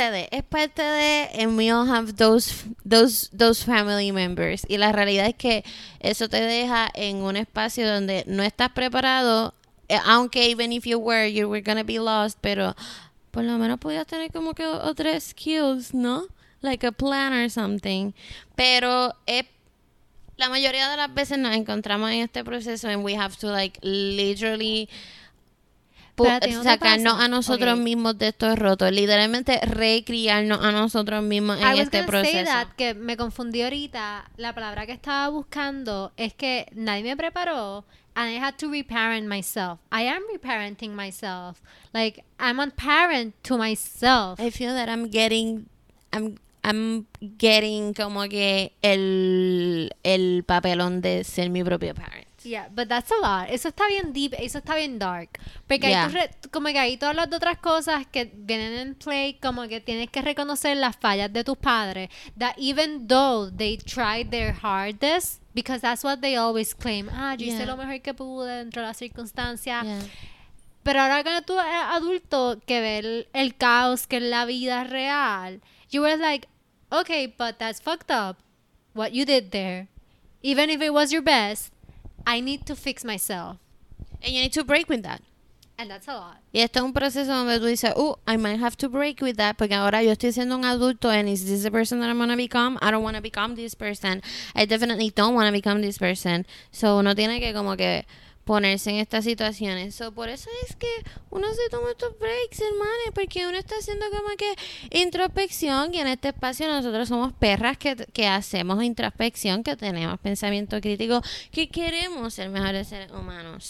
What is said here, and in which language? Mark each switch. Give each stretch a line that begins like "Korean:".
Spanish: Es parte de,
English: and we all have those family members.
Spanish: Y la realidad es que eso te deja en un espacio donde no estás preparado, aunque
English: even if you were gonna be lost,
Spanish: pero por lo menos podías tener como que otras skills, ¿no?
English: Like a plan or something.
Spanish: Pero la mayoría de las veces nos encontramos en este proceso
English: and we have to like literally
Spanish: sacarnos a nosotros mismos de estos rotos, literalmente recriarnos a nosotros mismos en este proceso.
English: Say that,
Spanish: que me confundí ahorita, la palabra que estaba buscando es que nadie me preparó
English: and I had to reparent myself. I am reparenting myself. Like, I'm a parent to myself. I feel that I'm getting
Spanish: como que el papelón de ser mi propio
English: parent. Yeah, but that's a lot.
Spanish: Eso está bien deep, eso está bien dark. Porque yeah, hay todas las otras cosas que vienen en play, como que tienes que reconocer las fallas de tus padres.
English: That even though they tried their hardest, because that's what they always claim.
Spanish: Yo hice lo mejor que pude dentro de las circunstancias.
English: Yeah.
Spanish: Pero ahora cuando tú eres adulto, que ves el caos que es la vida real,
English: you were like, okay, but that's fucked up, what you did there. Even if it was your best, I need to fix myself. And you need to break with that. And that's a lot.
Spanish: Y esto es un proceso donde tú dices,
English: I might have to break with that,
Spanish: porque ahora yo estoy siendo un adulto,
English: and is this the person that I'm going to become? I don't want to become this person. I definitely don't want to become this person.
Spanish: So uno tiene que como que ponerse en estas situaciones. So, por eso es que uno se toma estos breaks, hermanos, porque uno está haciendo como que introspección, y en este espacio nosotros somos perras que hacemos introspección, que tenemos pensamiento crítico, que queremos ser mejores seres humanos.